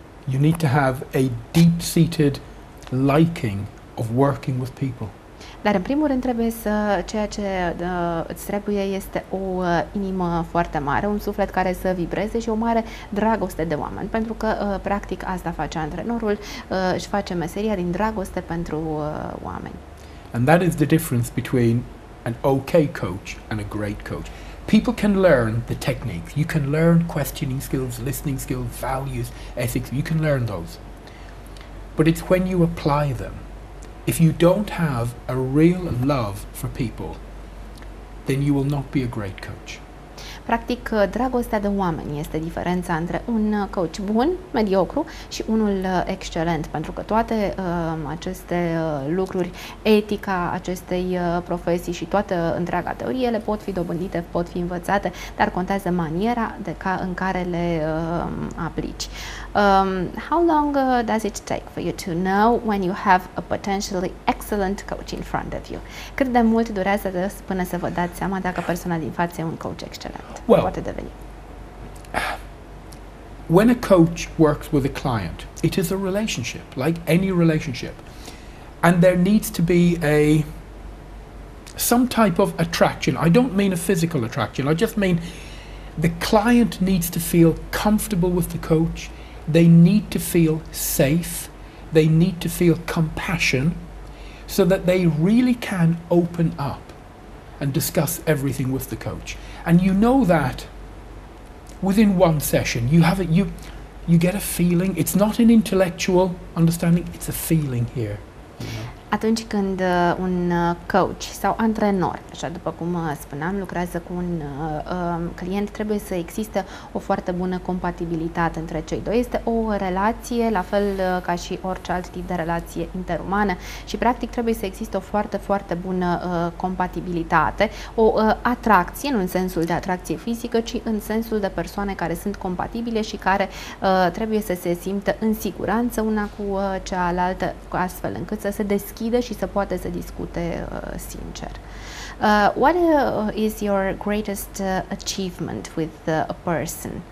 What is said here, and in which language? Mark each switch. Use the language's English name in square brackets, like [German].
[English] You need to have a deep-seated liking of working with people. [Romanian] Dar în primul rând trebuie să ceea ce îți trebuie este o inimă foarte mare, un suflet care să vibreze și o mare dragoste de oameni, pentru că practic asta face antrenorul, își face meseria din dragoste pentru oameni. [English] And that is the difference between an okay coach and a great coach. People can learn the techniques. You can learn questioning skills, listening skills, values, ethics. You can learn those. But it's when you apply them. If you don't have a real love for people, then you will not be a great coach. [Romanian] Practic, dragostea de oameni este diferența între un coach bun, mediocru, și unul excelent, pentru că toate aceste lucruri, etica acestei profesii și toată întreaga teorie, le pot fi dobândite, pot fi învățate, dar contează maniera de în care le aplici. [English] How long does it take for you to know when you have a potentially excellent coach in front of you? [Romanian] Cât de mult durează până să vă dați seama dacă persoana din față e un coach excelent? [English] Well, [Romanian] poate deveni. [English] When a coach works with a client, it is a relationship, like any relationship. And there needs to be some type of attraction. I don't mean a physical attraction. I just mean the client needs to feel comfortable with the coach. They need to feel safe. They need to feel compassion so that they really can open up and discuss everything with the coach. And you know that within one session, you get a feeling. It's not an intellectual understanding, it's a feeling here. [Romanian] Atunci când un coach sau antrenor, așa după cum spuneam, lucrează cu un client, trebuie să existe o foarte bună compatibilitate între cei doi. Este o relație, la fel ca și orice alt tip de relație interumană, și practic trebuie să existe o foarte, foarte bună compatibilitate, o atracție, nu în sensul de atracție fizică, ci în sensul de persoane care sunt compatibile și care trebuie să se simtă în siguranță una cu cealaltă, astfel încât să se deschidă și să poată să discute sincer. [English] What is your greatest achievement with a person?